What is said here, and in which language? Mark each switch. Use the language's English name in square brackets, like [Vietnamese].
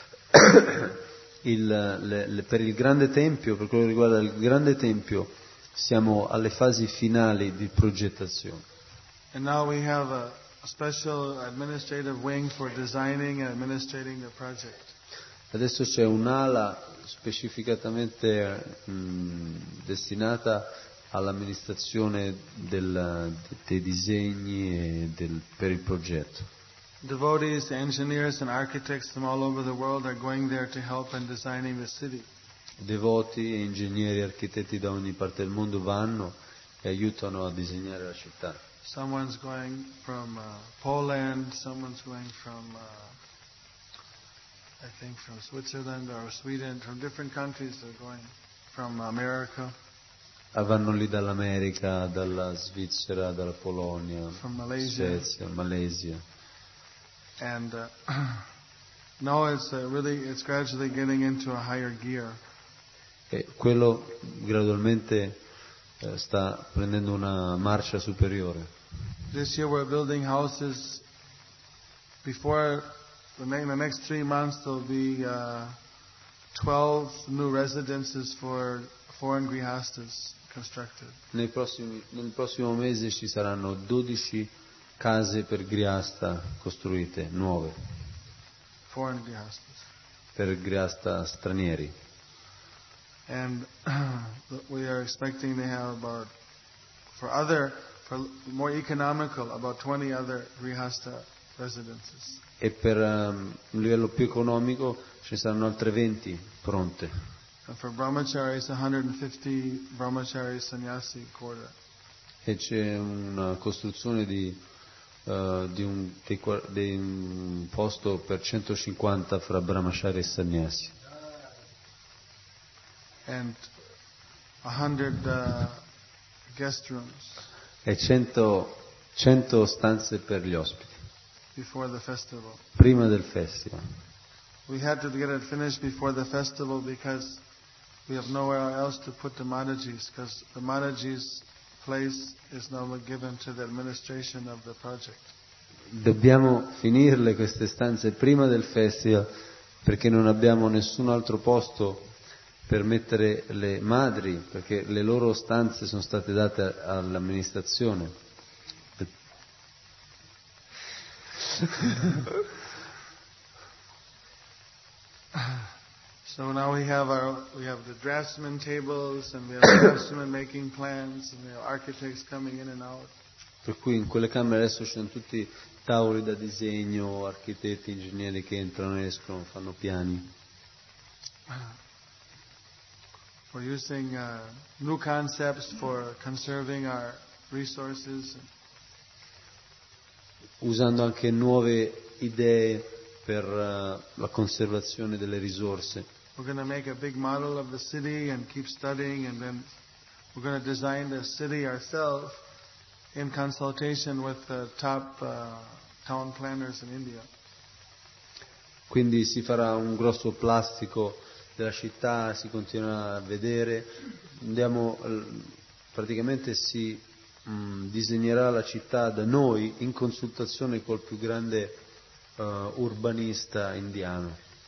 [Italian] Per il grande tempio, per quello che riguarda il grande tempio, siamo alle fasi finali di progettazione. [English] And now we have a special administrative wing for designing and administrating the project. [Italian] Adesso c'è un'ala specificatamente destinata all'amministrazione dei disegni e per il progetto. [English] Devotees, engineers and architects from all over the world are going there to help in designing the city. [Italian] Devoti, ingegneri, architetti da ogni parte del mondo vanno e aiutano a disegnare la città. [English] Someone's going from Poland, someone's going from I think from Switzerland or Sweden, from different countries they're going, from America. [Italian] Vanno lì dall'America, dalla Svizzera, dalla Polonia, [English] from Malaysia. [Italian] Svezia, Malesia. [English] And now it's really it's gradually getting into a higher gear. [Italian] E quello gradualmente sta prendendo una marcia superiore. [English] This year we're building houses. Before the next 3 months there'll be 12 new residences for foreign grihastas constructed. [Italian] Nel prossimo mese ci saranno 12 case per grihasta costruite, nuove. [English] Foreign grihastas. [Italian] Per grihasta stranieri. [English] And we are expecting to have about for more economical about 20 other grihasta residences. [Italian] E per un livello più economico ci saranno altre 20 pronte. [English] And for brahmacharis 150 brahmachari sannyasi quarter. [Italian] E c'è una costruzione di un posto per 150 fra brahmachari e sannyasi. [English] And 100 guest rooms. [Italian] E 100 stanze per gli ospiti. [English] Before the festival. [Italian] Prima del festival. [English] We had to get it finished before the festival because we have nowhere else to put the Matajis, because the Matajis' place is now given to the administration of the project. [Italian] Dobbiamo finirle queste stanze prima del festival perché non abbiamo nessun altro posto per mettere le madri, perché le loro stanze sono state date all'amministrazione. [English] So now we have the draftsman tables and we have draftsman making plans and we have architects coming in and out. [Italian] Per cui in quelle camere adesso ci sono tutti tavoli da disegno, architetti, ingegneri che entrano e escono, fanno piani. [English] We're using new concepts for conserving our resources. [Italian] Usando anche nuove idee per la conservazione delle risorse. [English] We're going to make a big model of the city and keep studying, and then we're going to design the city ourselves in consultation with the top town planners in India. [Italian] Quindi si farà un grosso plastico della città, si continua a vedere, andiamo, praticamente si disegnerà la città da noi in consultazione col più grande urbanista indiano.